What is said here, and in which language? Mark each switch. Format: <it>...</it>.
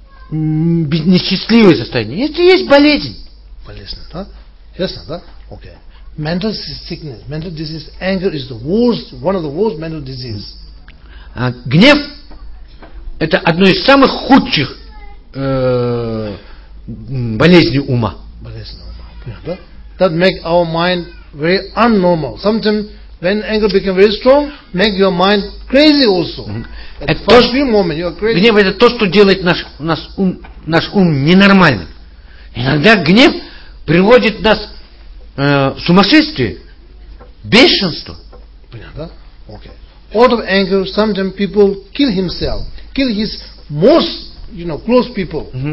<ru>Несчастливое состояние. Это есть болезнь. Болезнь, да? Ясно, да? Окей.</ru> <en>Mental sickness, mental disease, anger is the worst, one of the worst mental diseases.</en> <ru>Гнев это одно из самых худших болезней ума. Болезнь ума.</ru> <en>That make our mind very unnormal. Sometimes when anger becomes very strong, make your mind crazy also. At first few moments you are crazy.</en> <ru>Гнев это то, что делает наш ум ненормальным. Иногда гнев приводит нас сумасшествие, бешенство. Понятно? Окей.</ru> <en>Out of anger, sometimes people kill himself, kill his most, you know, close people.</en>